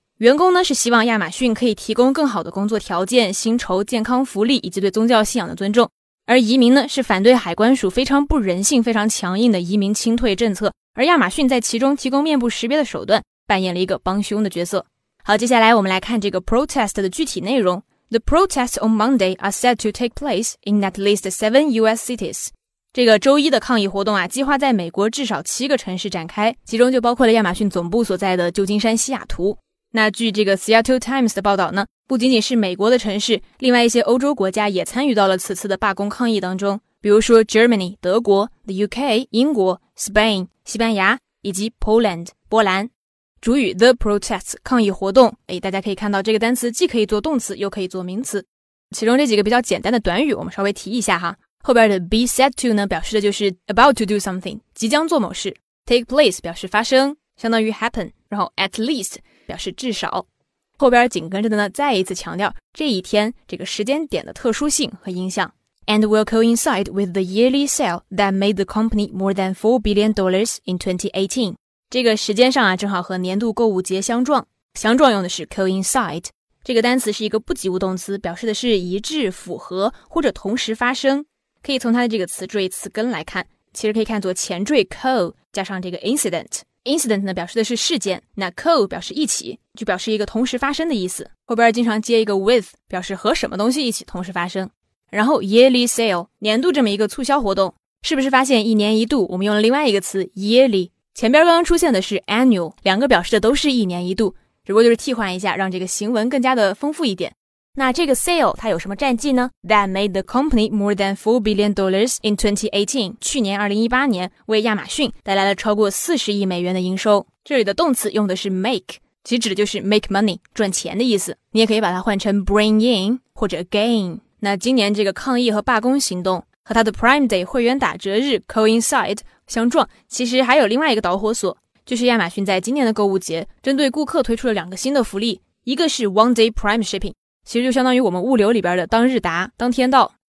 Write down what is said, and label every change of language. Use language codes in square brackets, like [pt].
[zh] 员工呢是希望亚马逊可以提供更好的工作条件、薪酬、健康福利以及对宗教信仰的尊重，而移民呢是反对海关署非常不人性、非常强硬的移民清退政策，而亚马逊在其中提供面部识别的手段，扮演了一个帮凶的角色。好，接下来我们来看这个 protest 的具体内容。 [en] The protests on Monday are set to take place in at least 7 US cities。 [zh] 这个周一的抗议活动啊，计划在美国至少七个城市展开，其中就包括了亚马逊总部所在的旧金山西雅图。那据这个 Seattle Times 的报道呢，不仅仅是美国的城市，另外一些欧洲国家也参与到了此次的罢工抗议当中，比如说 Germany 德国、 The UK 英国、 Spain 西班牙以及 Poland 波兰。主语 the protests 抗议活动，大家可以看到这个单词既可以做动词又可以做名词。其中这几个比较简单的短语我们稍微提一下哈，后边的 be set to 呢表示的就是 [en] about to do something， [zh] 即将做某事。 take place 表示发生，相当于 happen， 然后 at least 表示至少。后边紧跟着的呢再一次强调这一天这个时间点的特殊性和影响。 [en] and will coincide with the yearly sale that made the company more than $4 billion in 2018. [zh] 这个时间上啊，正好和年度购物节相撞。相撞用的是 coincide。这个单词是一个不及物动词，表示的是一致、符合或者同时发生。可以从它的这个词缀词根来看，其实可以看作前缀 co 加上这个 incident。 incident 呢表示的是事件，那 co 表示一起，就表示一个同时发生的意思。后边经常接一个 with， 表示和什么东西一起同时发生。然后 yearly sale， 年度这么一个促销活动，是不是发现一年一度我们用了另外一个词 yearly？前边刚刚出现的是 annual， 两个表示的都是一年一度，只不过就是替换一下，让这个行文更加的丰富一点。那这个 sale 它有什么战绩呢？ [en] That made the company more than $4 billion in 2018. [zh] 去年2018年为亚马逊带来了超过40亿美元的营收。这里的动词用的是 make， 其实指的就是 make money， 赚钱的意思。你也可以把它换成 bring in 或者 gain。那今年这个抗议和罢工行动和它的 Prime Day 会员打折日 coincide 相撞，其实还有另外一个导火索，就是亚马逊在今年的购物节针对顾客推出了两个新的福利，一个是 One Day Prime Shipping，其实就相当于我们物流里边的当日达，当天到。